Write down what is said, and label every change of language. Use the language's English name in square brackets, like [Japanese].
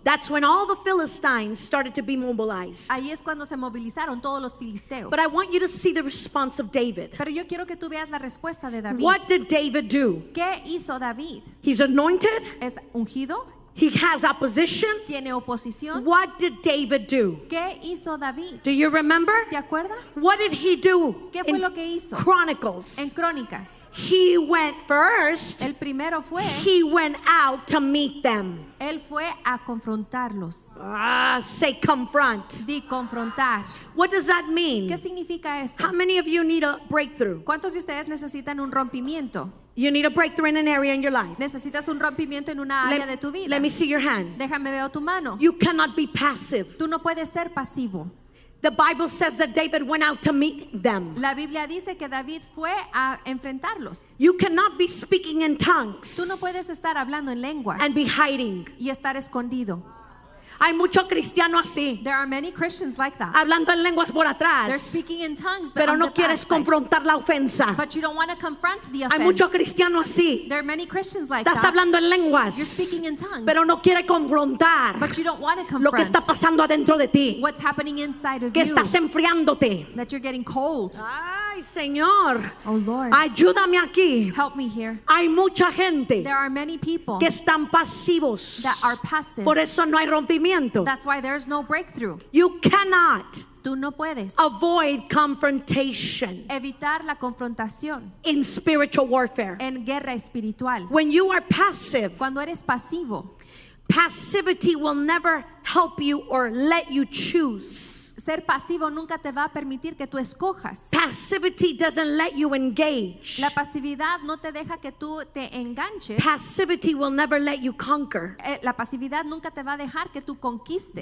[English] That's when all the Philistines started to be mobilized. [Spanish] Ahí es cuando se movilizaron todos los filisteos. [English] But I want you to see the response of David. [Spanish] Pero yo quiero que tú veas la respuesta de David. [English] What did David do? [Spanish] ¿Qué hizo David? [English] He's anointed. [Spanish] Es ungido. [English] He has opposition. [Spanish] Tiene oposición. [English] What did David do? [Spanish] ¿Qué hizo David? [English] Do you remember? [Spanish] ¿Te acuerdas? [English] What did he do? [Spanish] ¿Qué fue lo que hizo? [English] Chronicles. [Spanish] En Crónicas. [English] He went first. [Spanish] El primero fue. [English] He went out to meet them. [Spanish] Él fue a confrontarlos. [English] Say confront. [Spanish] Di confrontar. [English] What does that mean? [Spanish] ¿Qué significa eso? [English] How many of you need a breakthrough? [Spanish] ¿Cuántos de ustedes necesitan un rompimiento? [English] You need a breakthrough in an area in your life. [Spanish] Necesitas un rompimiento en una área de tu vida. [English] Let me see your hand. [Spanish] Déjame ver tu mano. [English] You cannot be passive. [Spanish] Tú no puedes ser pasivo. [English] The Bible says that David went out to meet them. [Spanish] La Biblia dice que David fue a enfrentarlos. [English] You cannot be speaking in tongues. [Spanish] Tú no puedes estar hablando en lenguas. [English] And be hiding. [Spanish] Y estar escondido. Hay mucho cristiano así. [English] There are many Christians like that. [Spanish] Hablando en lenguas por atrás. [English] They're speaking in tongues, but [Spanish] pero no quieres confrontar la ofensa. [English] But you don't want to confront the offense. [Spanish] Hay mucho cristiano así. [English] There are many Christians like [Spanish] estás [English] that. [Spanish] Hablando en lenguas. [English] You're speaking in tongues. [Spanish] Pero no quiere confrontar. [English] But you don't want to confront [Spanish] lo que está pasando adentro de ti. [English] What's happening inside of [Spanish] que [English] you. [Spanish] Estás enfriándote. [English] That you're getting cold. [Spanish] Ay, Señor, [English] oh Lord, [Spanish] ayúdame aquí. [English] Help me here. [Spanish] Hay mucha gente [English] there are many people [Spanish] que están pasivos. [English] That are passive. [Spanish] Por eso no hay rompimiento. [English] That's why there's no breakthrough. You cannot [Spanish] tú no puedes [English] avoid confrontation [Spanish] evitar la confrontación [English] in spiritual warfare. [Spanish] En guerra espiritual. [English] When you are passive, [Spanish] cuando eres pasivo, [English] passivity will never help you or let you choose. [Spanish] Ser pasivo nunca te va a permitir que tú escojas. [English] Passivity doesn't let you engage. [Spanish] La pasividad no te deja que tú te enganches. [English] Passivity will never let you conquer. [Spanish] La pasividad nunca te va a dejar que tú conquistes.